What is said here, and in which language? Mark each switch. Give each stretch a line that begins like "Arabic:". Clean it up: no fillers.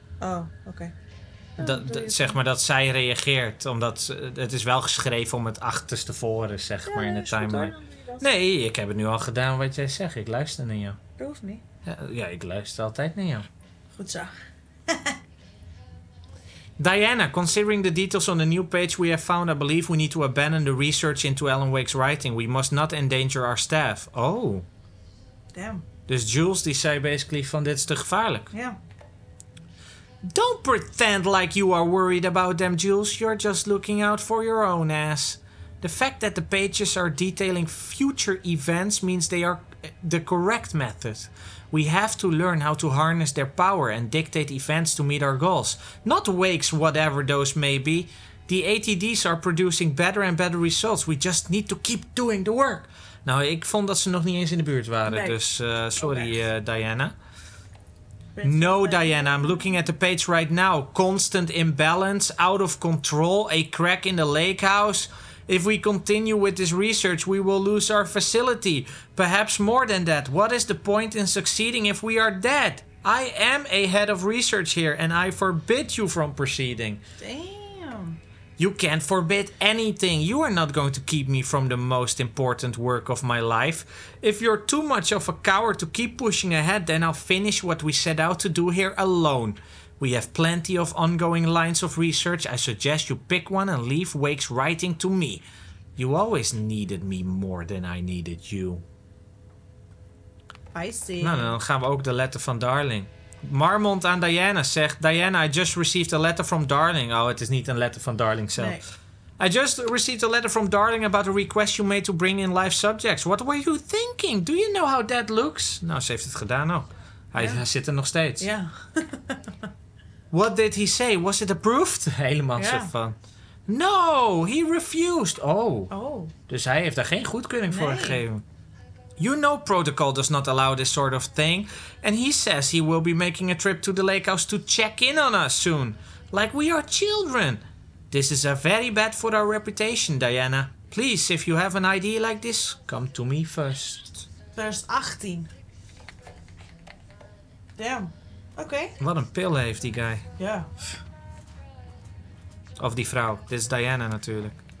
Dutch: Oh, oké.
English: Okay.
Dutch: Zeg maar dat zij reageert, omdat het is wel geschreven om het achterste voren, zeg maar, in de timeline. Nee, ik heb het nu al gedaan wat jij zegt. Ik luister naar jou. Dat hoeft niet. Ja, ik luister altijd naar jou. Goed zo.
English: Diana, considering the details on the new page we have found, I believe we need to abandon the research into Alan Wake's writing. We must not endanger our staff. Oh. Damn.
Dutch: Dus Jules die zei basically van dit is te gevaarlijk. Ja.
English: Don't pretend like you are worried about them, Jules. You're just looking out for your own ass. The fact that the pages are detailing future events means they are the correct method. We have to learn how to harness their power and dictate events to meet our goals. Not wakes, whatever those may be. The ATD's are producing better and better results. We just need to keep doing the work.
Dutch: Nou, ik vond dat ze nog niet eens in de buurt waren. Nee. Dus sorry, Diana.
English: No, Diana, I'm looking at the page right now. Constant imbalance, out of control, a crack in the lake house. If we continue with this research, we will lose our facility. Perhaps more than that. What is the point in succeeding if we are dead? I am a head of research here, and I forbid you from proceeding. Damn. You can't forbid anything. You are not going to keep me from the most important work of my life. If you're too much of a coward to keep pushing ahead, then I'll finish what we set out to do here alone. We have plenty of ongoing lines of research. I suggest you pick one and leave Wake's writing to me. You always needed me more than I needed you. I see.
Dutch: Nou, dan gaan we ook de letter van Darling. Marmont aan Diana zegt,
English: Diana, I just received a letter from Darling.
Dutch: Oh, het is niet een letter van Darling zelf. Nee.
English: I just received a letter from Darling about a request you made to bring in live subjects. What were you thinking? Do you know how that looks?
Dutch: Nou, ze heeft het gedaan ook. Hij zit er nog steeds. Ja.
English: What did he say? Was it approved?
Dutch: Helemaal zo van.
English: No, he refused. Oh. Oh.
Dutch: Dus hij heeft daar geen goedkeuring voor gegeven.
English: You know protocol does not allow this sort of thing. And he says he will be making a trip to the lake house to check in on us soon. Like we are children. This is a very bad for our reputation, Diana. Please, if you have an idea like this, come to me first. Verse 18. Damn. Okay.
Dutch: Wat een pil heeft die guy. Ja. Of die vrouw. Dit is Diana natuurlijk.